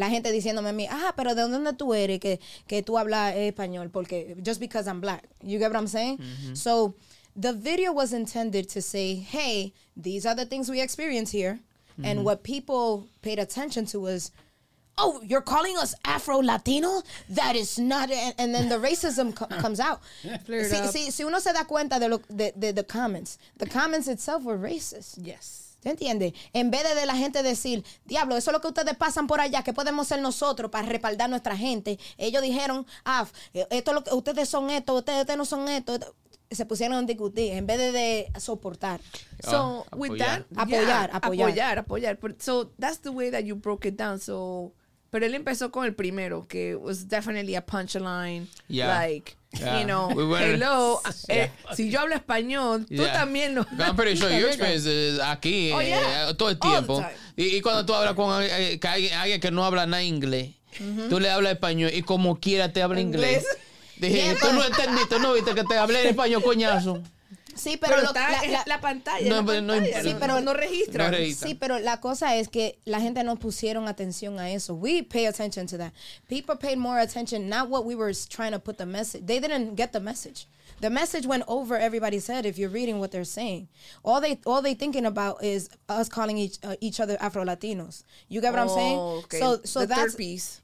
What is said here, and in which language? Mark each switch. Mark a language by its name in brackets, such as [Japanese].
[Spanish] La gente diciéndome a mí, ah, pero ¿de dónde tú eres que tú hablas español? Porque, [English] just because I'm black. You get what I'm saying? Mm-hmm. So... the video was intended to say, hey, these are the things we experience here. Mm-hmm. And what people paid attention to was, oh, you're calling us Afro-Latino? That is not... And then the racism comes out. [Spanish] Si uno se da cuenta de, lo, de comments. [English] The comments itself were racist. Yes. [Spanish] ¿Te entiendes? En vez de la gente decir, diablo, eso es lo que ustedes pasan por allá, que podemos ser nosotros para respaldar nuestra gente. Ellos dijeron, ah, esto es lo que ustedes son esto, ustedes no son esto. Se pusieron a discutir en vez de soportar. [English] So, apoyar. With that, [Spanish] apoyar. [English] But, so, that's the way that you broke it down. [Spanish] So, pero él empezó con el primero, que [English] was definitely a punchline. Yeah. Like, you know, we were, hello. Yeah. [Spanish] Si yo hablo español, tú también lo. [English] No, I'm pretty sure your experience is [Spanish] aquí todo el tiempo. Y cuando tú hablas con alguien que no habla nada inglés, tú le hablas español y como quiera te habla inglés. Dije, tú no entendiste, no viste que te hablé en español, coñazo. Sí, pero está la pantalla. No, registra. Sí, pero la cosa es que la gente no pusieron atención a eso. [English] We pay attention to that. People paid more attention, not what we were trying to put the message. They didn't get the message. The message went over everybody's head if you're reading what they're saying. All they thinking about is us calling each other Afro-Latinos. You get what I'm saying? Okay. So the that's, third piece.